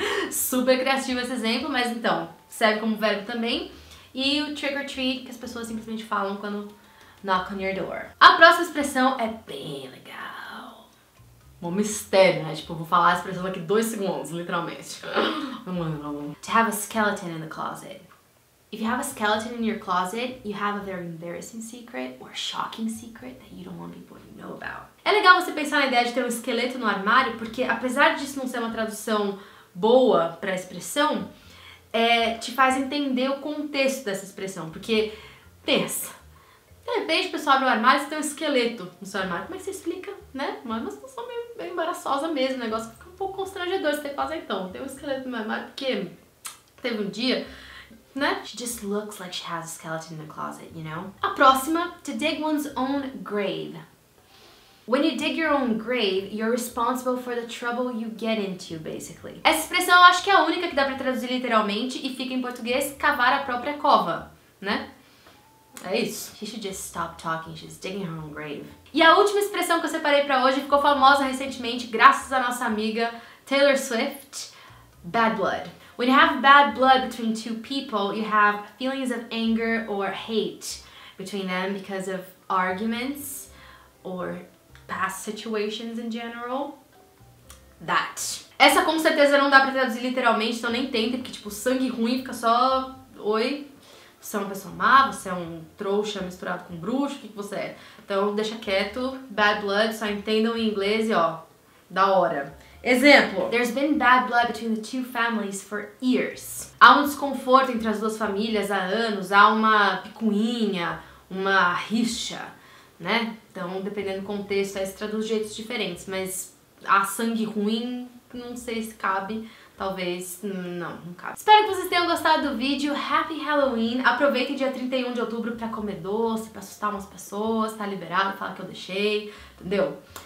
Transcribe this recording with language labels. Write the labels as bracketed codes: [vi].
[pt] Super criativo esse exemplo, mas então, serve como verbo também. E o trick-or-treat, que as pessoas simplesmente falam quando [en] knock on your door. [pt] A próxima expressão é bem legal. Um mistério, né? Tipo, eu vou falar a expressão daqui 2 segundos, literalmente. [en] To have a skeleton in the closet. If you have a skeleton in your closet, you have a very embarrassing secret or shocking secret that you don't want people to know about. [pt] É legal você pensar na ideia de ter um esqueleto no armário, porque apesar disso não ser uma tradução boa para a expressão, é, te faz entender o contexto dessa expressão. Porque, pensa, de repente o pessoal abre o armário e você tem um esqueleto no seu armário. Como é que você explica, né? Mas é uma situação meio, meio embaraçosa mesmo, o negócio fica um pouco constrangedor. Você tem que fazer então, tem um esqueleto no meu armário, porque teve um dia... Né? [en] She just looks like she has a skeleton in the closet, you know? [pt] A próxima, [en] to dig one's own grave. When you dig your own grave, you're responsible for the trouble you get into, basically. [pt] Essa expressão eu acho que é a única que dá pra traduzir literalmente e fica em português, cavar a própria cova, né? É isso. [en] She should just stop talking, she's digging her own grave. [pt] E a última expressão que eu separei pra hoje ficou famosa recentemente graças à nossa amiga Taylor Swift, bad blood. [en] When you have bad blood between two people, you have feelings of anger or hate between them because of arguments or past situations in general. That. [pt] Essa com certeza não dá pra traduzir literalmente, então nem tenta, porque tipo, sangue ruim fica só... Oi, você é uma pessoa má, você é um trouxa misturado com bruxo, o que você é? Então deixa quieto, bad blood, só entendam em inglês e ó, da hora. Exemplo. [en] There's been bad blood between the two families for years. [pt] Há um desconforto entre as duas famílias há anos, há uma picuinha, uma rixa, né? Então, dependendo do contexto, aí se traduz de jeitos diferentes, mas há sangue ruim, não sei se cabe, talvez, não, não cabe. Espero que vocês tenham gostado do vídeo, Happy Halloween! Aproveitem dia 31 de outubro pra comer doce, pra assustar umas pessoas, tá liberado, fala que eu deixei, entendeu?